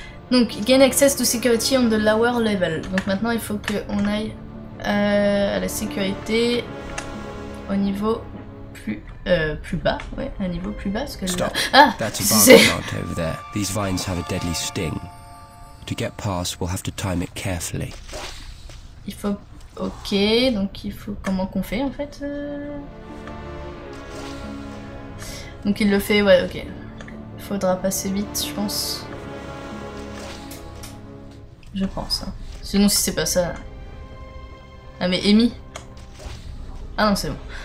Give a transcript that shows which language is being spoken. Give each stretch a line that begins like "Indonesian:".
English: Donc, gain access to security on the lower level.
French: Donc maintenant, il faut qu'on aille à la sécurité au niveau plus bas. Ouais, un niveau plus bas. Parce que stop.
English: That's a bargain knot over there. These vines have a deadly sting. To get past, we'll have to time it carefully.
French: Il faut... Ok, donc il faut... Comment qu'on fait, en fait Donc il le fait, ouais, ok. Faudra passer vite, je pense. Je pense, hein. Sinon, si c'est pas ça... Ah, mais Amy... Ah non, c'est bon.